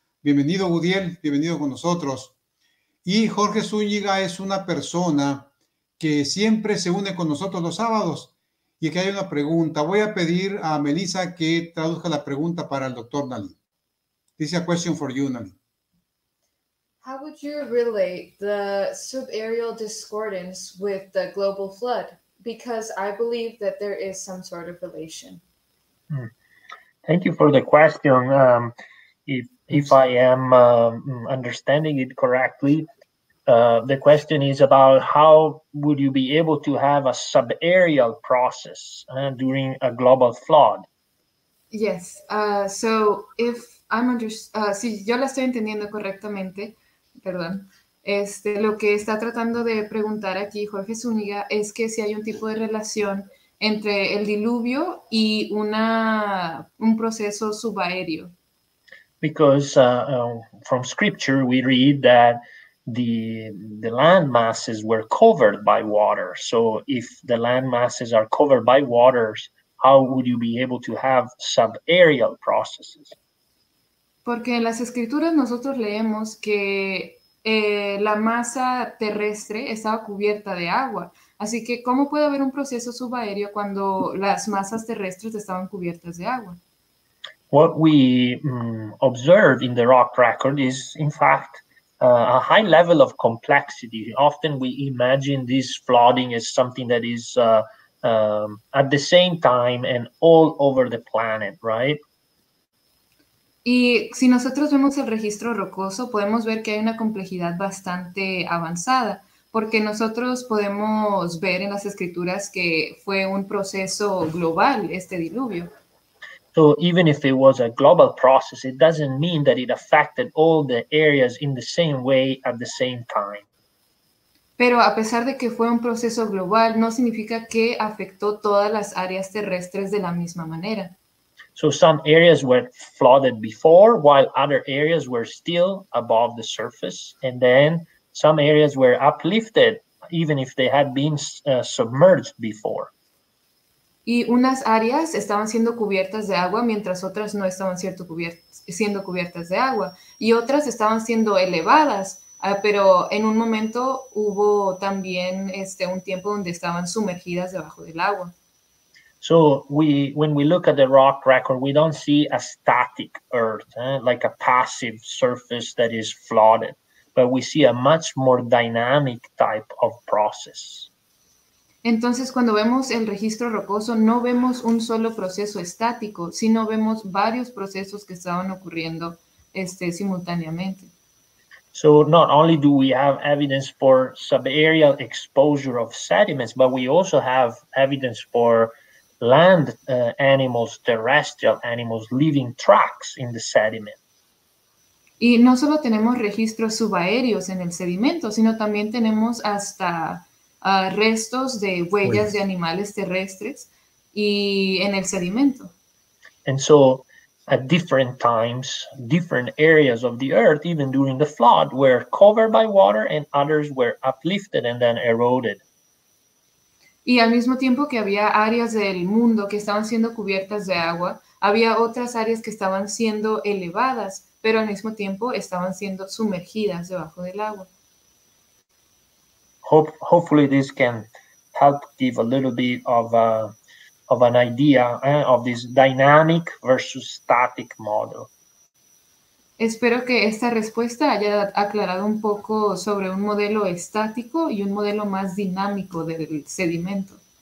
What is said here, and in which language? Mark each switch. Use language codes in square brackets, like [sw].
[es] Bienvenido, Gudiel, bienvenido con nosotros. Y Jorge Zúñiga es una persona que siempre se une con nosotros los sábados. Y aquí hay una pregunta. Voy a pedir a Melissa que traduzca la pregunta para el doctor Nali. Dice, [en] a question for you, Nali. How would you relate the subaerial discordance with the global flood? Because I believe that there is some sort of relation. Thank you for the question. If I am understanding it correctly, the question is about how would you be able to have a subaerial process during a global flood? Yes. So if I'm [es] si yo la estoy entendiendo correctamente, perdón, lo que está tratando de preguntar aquí Jorge Zúñiga es que si hay un tipo de relación entre el diluvio y un proceso subaéreo. [en] Because from scripture we read that the land masses were covered by water. So if the land masses are covered by waters, how would you be able to have subaerial processes? [es] Porque en las escrituras nosotros leemos que la masa terrestre estaba cubierta de agua. Así que, ¿cómo puede haber un proceso subaéreo cuando las masas terrestres estaban cubiertas de agua? [en] What we observe in the rock record is, in fact, a high level of complexity. Often we imagine this flooding as something that is at the same time and all over the planet, right? [es] Y si nosotros vemos el registro rocoso, podemos ver que hay una complejidad bastante avanzada, porque nosotros podemos ver en las escrituras que fue un proceso global este diluvio. [en] So even if it was a global process, it doesn't mean that it affected all the areas in the same way at the same time. [es] Pero a pesar de que fue un proceso global, no significa que afectó todas las áreas terrestres de la misma manera. [en] So some areas were flooded before, while other areas were still above the surface. And then some areas were uplifted, even if they had been submerged before. [es] Y unas áreas estaban siendo cubiertas de agua, mientras otras no estaban siendo cubiertas de agua. Y otras estaban siendo elevadas, pero en un momento hubo también un tiempo donde estaban sumergidas debajo del agua. [en] So when we look at the rock record, we don't see a static earth, like a passive surface that is flooded, but we see a much more dynamic type of process. [es] Entonces, cuando vemos el registro rocoso, no vemos un solo proceso estático, sino vemos varios procesos que estaban ocurriendo simultáneamente. [en] So not only do we have evidence for subaerial exposure of sediments, but we also have evidence for land animals, terrestrial animals, leaving tracks in the sediment. [es] Y no solo tenemos registros subaéreos en el sedimento, sino también tenemos hasta restos de huellas de animales terrestres y en el sedimento. [en] And so, at different times, different areas of the earth, even during the flood, were covered by water and others were uplifted and then eroded. [es] Y al mismo tiempo que había áreas del mundo que estaban siendo cubiertas de agua, había otras áreas que estaban siendo elevadas, pero al mismo tiempo estaban siendo sumergidas debajo del agua. [en] Hopefully this can help give a little bit of an idea of this dynamic versus static model. [es] Espero que esta respuesta haya aclarado un poco sobre un modelo estático y un modelo más dinámico del sedimento.